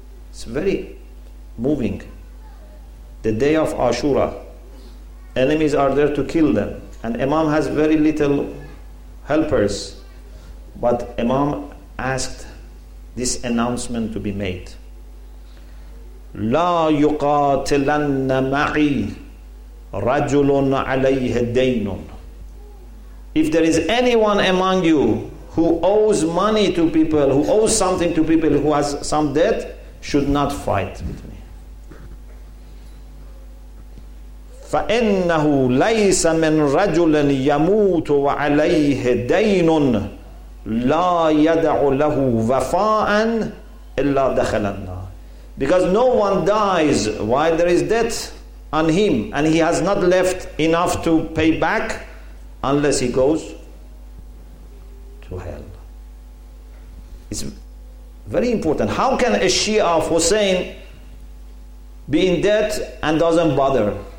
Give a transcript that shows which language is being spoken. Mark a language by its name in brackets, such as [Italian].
[English] It's very moving. The day of Ashura, enemies are there to kill them. And Imam has very little helpers. But Imam asked this announcement to be made. [Arabic] لا يقاتلن معي رجل عليه دين. [English] If there is anyone among you who owes money to people, who owes something to people, who has some debt, should not fight with me. [Arabic] فإنه ليس من رجل يموت وعليه دين لا يدع له وفاء إلا دخل النار. [English] Because no one dies while there is debt on him and he has not left enough to pay back unless he goes to hell. It's very important. How can a Shia of Hussein be in debt and doesn't bother?